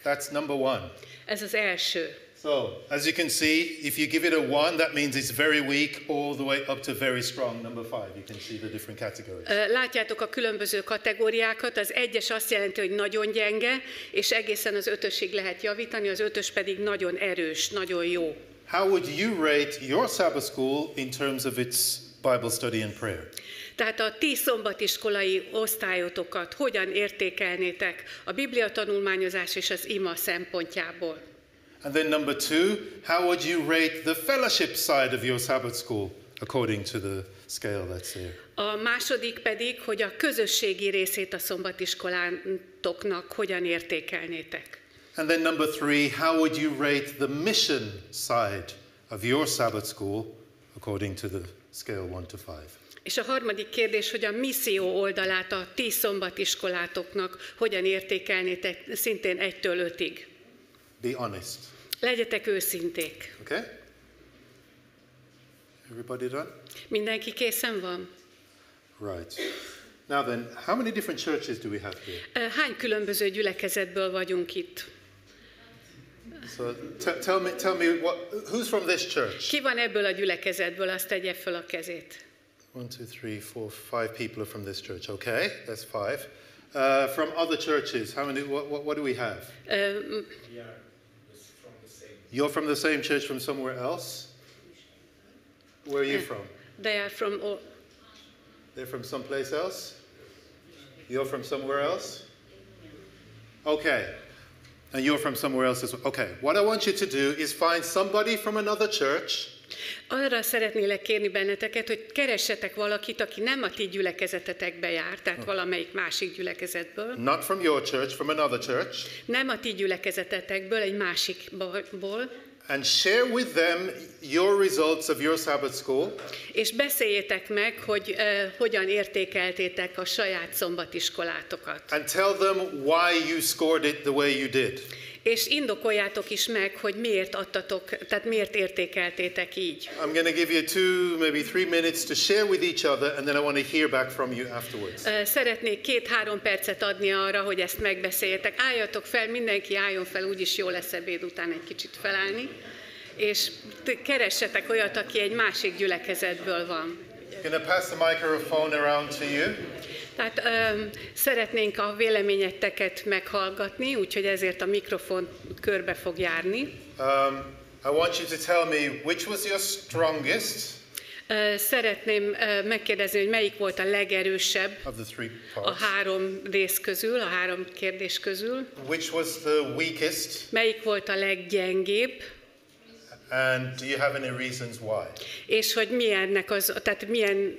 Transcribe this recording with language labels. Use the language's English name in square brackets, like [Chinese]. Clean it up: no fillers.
[English] That's number one. [Hungarian] Ez az első. [English] So, as you can see, if you give it a one, that means it's very weak, all the way up to very strong, number five. You can see the different categories. [Hungarian] Látjátok a különböző kategóriákat. Az egyes azt jelenti, hogy nagyon gyenge, és egészen az ötösig lehet javítani, az ötös pedig nagyon erős, nagyon jó. [English] How would you rate your Sabbath school in terms of its Bible study and prayer? [Hungarian] Tehát a ti szombatiskolai osztályotokat hogyan értékelnétek a Biblia tanulmányozás és az ima szempontjából? [English] And then number two, how would you rate the fellowship side of your Sabbath school according to the scale that's here? [Hungarian] A második pedig, hogy a közösségi részét a szombatiskolátoknak hogyan értékelnétek? [English] And then number three, how would you rate the mission side of your Sabbath school according to the scale 1 to 5? [Hungarian] És a harmadik kérdés, hogy a misszió oldalát a ti szombatiskolátoknak hogyan értékelnétek szintén 1-től 5-ig? [English] Be honest. [Hungarian] Legyetek őszinték. [English] Okay. Everybody done? [Hungarian] Mindenki készen van. [English] Right. Now then, how many different churches do we have here? [Hungarian] Hány különböző gyülekezetből vagyunk itt? [English] So tell me who's from this church? [Hungarian] Ki van ebből a gyülekezetből, azt tegye föl a kezét. [English] 1, 2, 3, 4, 5 people are from this church. Okay, that's 5. From other churches, how many? What do we have? You're from the same church from somewhere else? Where are you from? They are from... They're from someplace else? You're from somewhere else? Okay. And you're from somewhere else as well. Okay. What I want you to do is find somebody from another church. [Hungarian] Arra szeretnélek kérni benneteket, hogy keressetek valakit, aki nem a ti gyülekezetetekbe jár, tehát valamelyik másik gyülekezetből. [English] Not from your church, from another church. [Hungarian] Nem a ti gyülekezetetekből, egy másikból. [English] And share with them your results of your Sabbath school. [Hungarian] És beszéljétek meg, hogy hogyan értékeltétek a saját szombatiskolátokat. [English] And tell them why you scored it the way you did. [Hungarian] És indokoljátok is meg, hogy miért adtatok, tehát miért értékeltétek így. [English] I'm going to give you 2, maybe 3 minutes to share with each other, and then I want to hear back from you afterwards. [Hungarian] Szeretnék 2-3 percet adni arra, hogy ezt megbeszéljetek. Álljatok fel, mindenki álljon fel, úgyis jó lesz ebéd után egy kicsit felállni. És keressetek olyat, aki egy másik gyülekezetből van. [English] I'm going to pass the microphone around to you. [Hungarian] Tehát szeretnénk a véleményeteket meghallgatni, úgyhogy ezért a mikrofon körbe fog járni. [English] I want you to tell me which was your strongest. [Hungarian] Szeretném megkérdezni, hogy melyik volt a legerősebb a három rész közül, a három kérdés közül. [English] Which was the weakest? [Hungarian] Melyik volt a leggyengébb? [English] And do you have any reasons why? [Hungarian] És hogy milyennek az, tehát milyen, okay.